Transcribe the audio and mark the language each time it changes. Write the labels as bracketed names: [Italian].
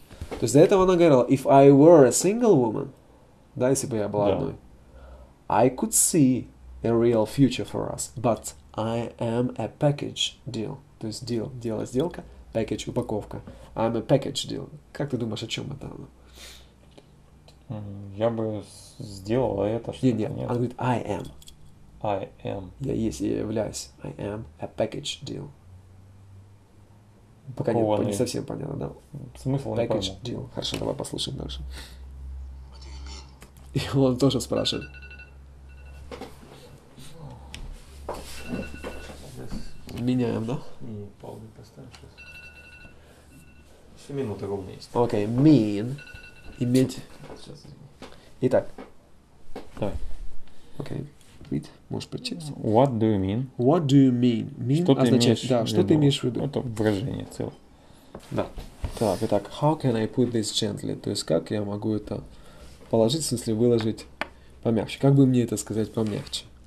[Russian] То есть до этого она говорила, [English] if I were a single woman, [Russian] да, если бы я была одной, [English] I could see a real future for us, but I am a package deal. [Russian] То есть deal, дело, сделка, package, упаковка. [English] I'm a package deal. [Russian] Как ты думаешь, о чем это она? Я бы сделала это, что-то нет. Нет, она говорит, [English] I am. I am. [Russian] Я есть, я являюсь. [English] I am a package deal. [Russian] Пока не совсем понятно, да? Смысл не понял. Package deal. Хорошо, давай послушаем дальше. И он тоже спрашивает. Меняем, да? И паузу поставим сейчас. 7 минут ровно есть. [English] Окей, okay, mean. [Russian] Иметь. Сейчас. Итак. Давай. Окей. Okay. Read. Можешь прочесть. [English] What do you mean? What do you mean? [Russian] Mean что означает, да, что ты имеешь в виду? Это выражение целое. Да. [English] Так, итак, how can I put this gently? [Russian] То есть, как я могу это положить, в смысле, выложить помягче? Как бы мне это сказать помягче?